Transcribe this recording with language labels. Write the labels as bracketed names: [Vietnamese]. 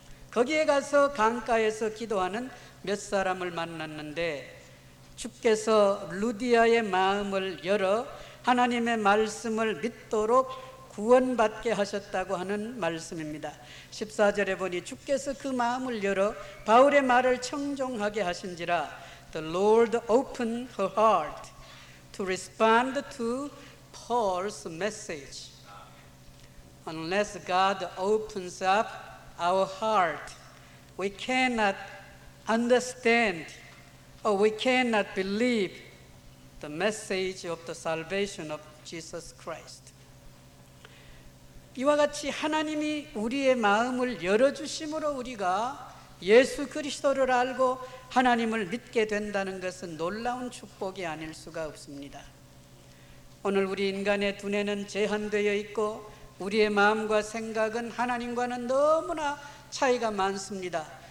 [Korean] 거기에 가서 강가에서 기도하는 몇 사람을 만났는데 주께서 루디아의 마음을 열어 하나님의 말씀을 믿도록 구원받게 하셨다고 하는 말씀입니다. 14절에 보니 주께서 그 마음을 열어 바울의 말을 청종하게 하신지라 [English] The Lord opened her heart to respond to Paul's message. Unless God opens up our heart, we cannot understand or we cannot believe the message of the salvation of Jesus Christ. [Korean] 이와 같이 하나님이 우리의 마음을 열어주심으로 우리가 예수 그리스도를 알고 하나님을 믿게 된다는 것은 놀라운 축복이 아닐 수가 없습니다. 오늘 우리 인간의 두뇌는 제한되어 있고 우리의 마음과 생각은 하나님과는 너무나 차이가 많습니다.